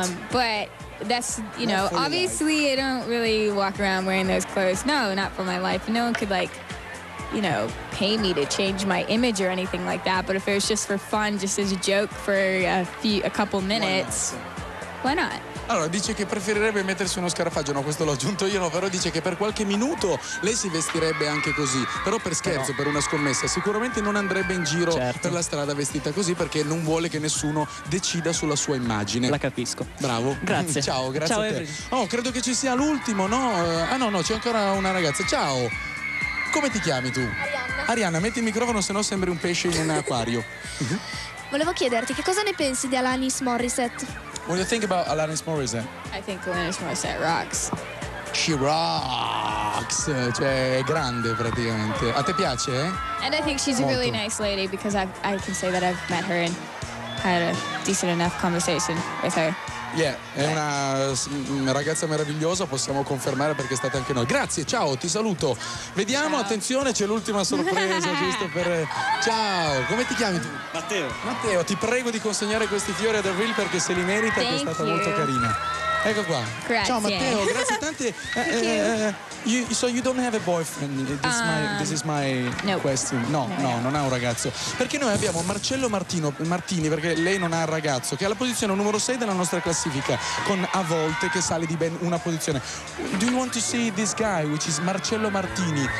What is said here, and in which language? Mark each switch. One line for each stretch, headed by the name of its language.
English: But that's, you know, obviously I don't really walk around wearing those clothes. No, not for my life. No one could, like, you know, pay me to change my image or anything like that. But if it was just for fun, just as a joke for a couple minutes, why not?
Italian: Allora, dice che preferirebbe mettersi uno scarafaggio. No, questo l'ho aggiunto io, no, però dice che per qualche minuto lei si vestirebbe anche così. Però per scherzo, però, per una scommessa, sicuramente non andrebbe in giro, certo, per la strada vestita così, perché non vuole che nessuno decida sulla sua immagine. La capisco. Bravo. Grazie. Ciao, a te. Oh, credo che ci sia l'ultimo, no? Ah no, c'è ancora una ragazza. Ciao. Come ti chiami tu? Arianna. Arianna, metti il microfono, sennò sembri un pesce in un acquario. Volevo chiederti, che cosa ne pensi di Alanis Morissette?
English: What do you think about Alanis Morissette? I think Alanis Morissette rocks. She rocks!
Italian: Cioè, è grande praticamente. A te piace, eh?
English: And I think she's
Italian: molto
English: a really nice lady, because I can say that I've met her and had a decent enough conversation with her.
Italian: Yeah, è una ragazza meravigliosa, possiamo confermare perché state anche noi. Grazie, ciao, ti saluto. Vediamo, ciao. Attenzione, c'è l'ultima sorpresa, giusto per... Ciao, come ti chiami tu? Matteo, ti prego di consegnare questi fiori ad Avril perché se li merita, che è stata molto carina. Ecco qua. Grazie. Ciao Matteo, grazie tante.
English: So you don't have a boyfriend? This is my question.
Italian: No, non ha un ragazzo. Perché noi abbiamo Marcello Martini, perché lei non ha un ragazzo, che è alla posizione numero 6 della nostra classifica, con A Volte, che sale di ben una posizione.
English: Do you want to see this guy, which is Marcello Martini?